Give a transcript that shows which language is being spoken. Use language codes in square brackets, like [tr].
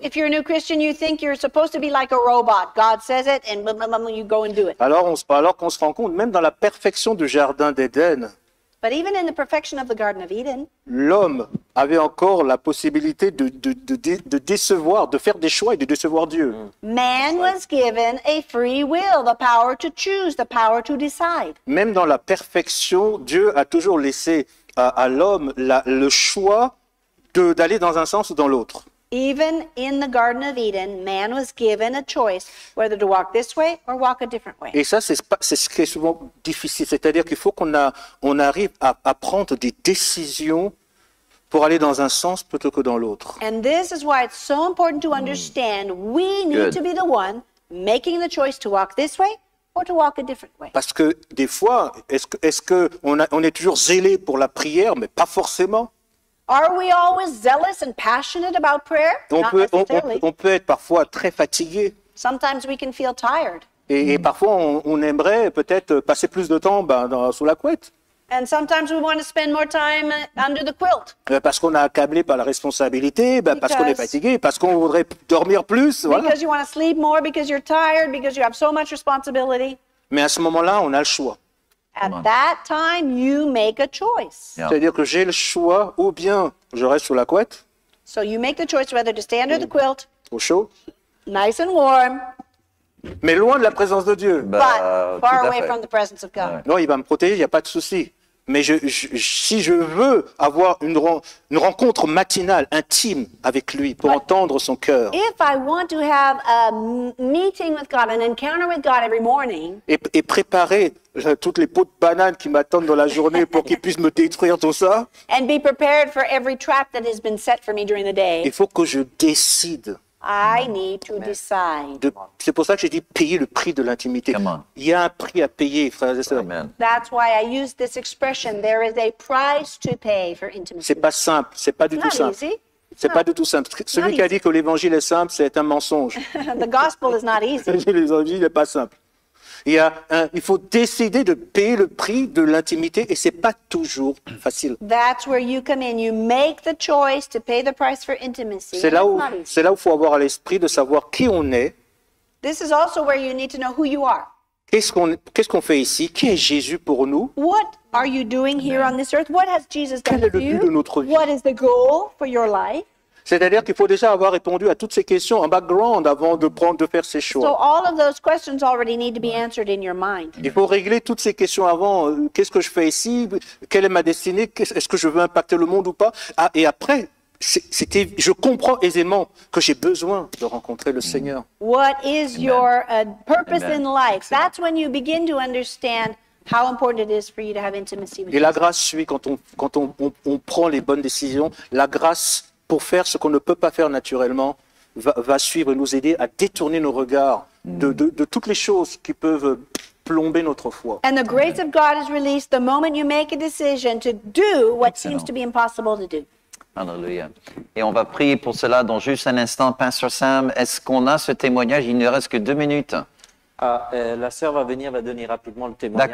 [en] If you're a new Christian, you think you're supposed to be like a robot. God says it, and blah, blah, blah, you go and do it. [fr] Alors qu'on se rend compte, même dans la perfection du jardin d'Éden. [en] But even in the perfection of the Garden of Eden, [fr] l'homme avait encore la possibilité de décevoir, de faire des choix et de décevoir Dieu. [en] Man was given a free will, the power to choose, the power to decide. [fr] Même dans la perfection, Dieu a toujours laissé à l'homme le choix d'aller dans un sens ou dans l'autre. [en] Even in the Garden of Eden, man was given a choice whether to walk this way or walk a different way. [fr] Et ça, c'est ce qui est souvent difficile. C'est-à-dire qu'il faut qu'on arrive à prendre des décisions pour aller dans un sens plutôt que dans l'autre. [en] And this is why it's so important to understand we need to be the one making the choice to walk this way or to walk a different way. [fr] Parce que des fois, est-ce qu'on est toujours zélé pour la prière, mais pas forcément. [en] Are we always zealous and passionate about prayer? [fr] On peut être parfois très fatigué. [en] Sometimes we can feel tired. [fr] Et parfois on aimerait peut-être passer plus de temps sous la couette. [en] And sometimes we want to spend more time under the quilt. [fr] Parce qu'on est accablé par la responsabilité, parce qu'on est fatigué, parce qu'on voudrait dormir plus. Voilà. [en] Because you want to sleep more, because you're tired, because you have so much responsibility. Mais à ce moment-là, on a le choix. At that time, you make a choice. Yeah. [fr] C'est-à-dire que j'ai le choix, ou bien je reste sous la couette. [en] So you make the choice whether to stay under the quilt. [fr] Au chaud. [en] Nice and warm. [fr] Mais loin de la présence de Dieu. [en] But far away from the presence of God. [fr] Non, il va me protéger, il n'y a pas de souci. Mais si je veux avoir une rencontre matinale, intime avec lui, pour entendre son cœur. [en] If I want to have a meeting with God, an encounter with God every morning. [fr] Et préparer toutes les peaux de bananes qui m'attendent dans la journée pour qu'il puisse me détruire tout ça. [en] And be prepared for every trap that has been set for me during the day. [fr] Il faut que je décide. [en] I need to decide. [fr] C'est pour ça que j'ai dit payer le prix de l'intimité. Il y a un prix à payer, frères et sœurs. [en] That's why I use this expression. There is a price to pay for intimacy. [fr] C'est pas simple. C'est pas du tout simple. C'est pas du tout simple. Celui qui a dit que l'évangile est simple, c'est un mensonge. [en] The gospel is not easy. [fr] L'évangile n'est pas simple. Il faut décider de payer le prix de l'intimité et c'est pas toujours facile. [en] That's where you come in. You make the choice to pay the price for intimacy. [fr] C'est là où faut avoir à l'esprit de savoir qui on est. [en] This is also where you need to know who you are. [fr] Qu'est-ce qu'on fait ici? Qui est Jésus pour nous? [en] What are you doing here on this earth? What has Jesus done for you? [fr] Quel est le but de notre vie? [en] What is the goal for your life? [fr] C'est-à-dire qu'il faut déjà avoir répondu à toutes ces questions en background avant de faire ces choix. [en] So all of those questions already need to be answered in your mind. [fr] Il faut régler toutes ces questions avant. Qu'est-ce que je fais ici? Quelle est ma destinée? Est-ce que je veux impacter le monde ou pas? Ah, et après, je comprends aisément que j'ai besoin de rencontrer le Seigneur. [en] What is your purpose in life? That's when you begin to understand how important it is for you to have intimacy with Him. [fr] Et la grâce suit quand on prend les bonnes décisions. La grâce pour faire ce qu'on ne peut pas faire naturellement, va suivre et nous aider à détourner nos regards de toutes les choses qui peuvent plomber notre foi. [en] And the grace of God is released the moment you make a decision to do what seems to be impossible to do. [fr] Alléluia. Et on va prier pour cela dans juste un instant. Pasteur Sam, est-ce qu'on a ce témoignage? Il ne reste que 2 minutes. La sœur va venir, va donner rapidement le témoignage.